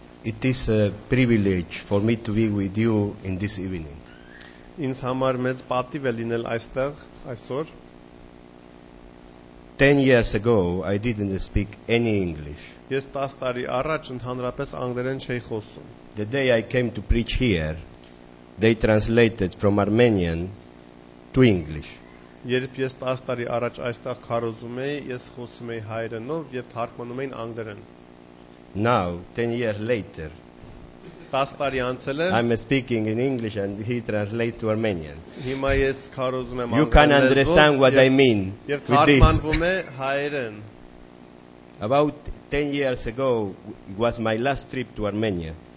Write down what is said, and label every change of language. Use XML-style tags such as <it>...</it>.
<en>It is a privilege for me to be with you in this evening.</en> <hy>Ինձ համար մեծ պատիվ է լինել այստեղ այսօր.</hy> <en>10 years ago, I didn't speak any English.</en> <hy>Ես 10 տարի առաջ ընդհանրապես անգլերեն չէի խոսում.</hy> <en>The day I came to preach here, they translated from Armenian to English.</en> <hy>Երբ ես 10 տարի առաջ այստեղ քարոզում էի, ես խոսում էի հայերենով և թարգմանում էին անգլերեն.</hy> <en>Now, 10 years later, I'm speaking in English and he translates to Armenian. You can understand what I mean with this. About 10 years ago, it was my last trip to Armenia.</en>